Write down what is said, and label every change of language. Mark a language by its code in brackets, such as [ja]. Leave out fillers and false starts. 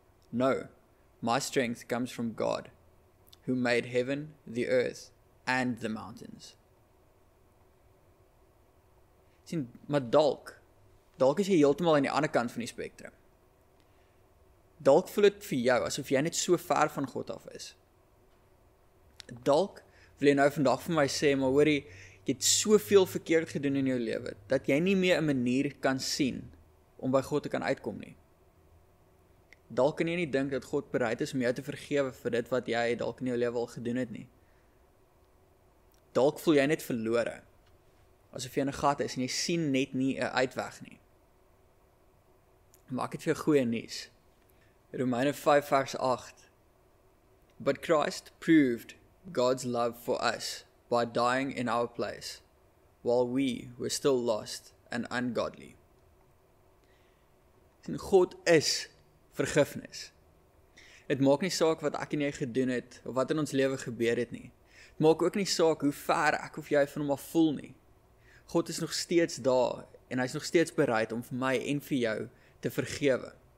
[en] No, my strength comes from God, who made heaven, the earth, and the mountains. [af] Sien, maar dalk is jy heeltemal aan die ander kant van die spektrum. Dalk voel het vir jou asof jy net so ver van God af is. Dalk wil jy nou vandag vir my sê, maar hoorie, jy het soveel verkeerd gedoen in jou lewe, dat jy nie meer 'n manier kan sien om by God te kan uitkom nie. Dalk kan jy nie dink dat God bereid is om jou te vergewe vir dit wat jy dalk in jou lewe al gedoen het nie. Dalk voel jy net verlore, asof jy in 'n gat is en jy sien net nie 'n uitweg nie. Maak dit vir goeie nuus. Romeine 5 vers 8 [en] But Christ proved God's love for us by dying in our place, while we were still lost and ungodly. [af] En God is vergifnis. Het maak nie saak wat ek en jy gedoen het, of wat in ons lewe gebeur het nie. Het maak ook nie saak hoe ver ek of jy van hom af voel nie. God is nog steeds daar, en hy is nog steeds bereid om vir my en vir jou te vergewe.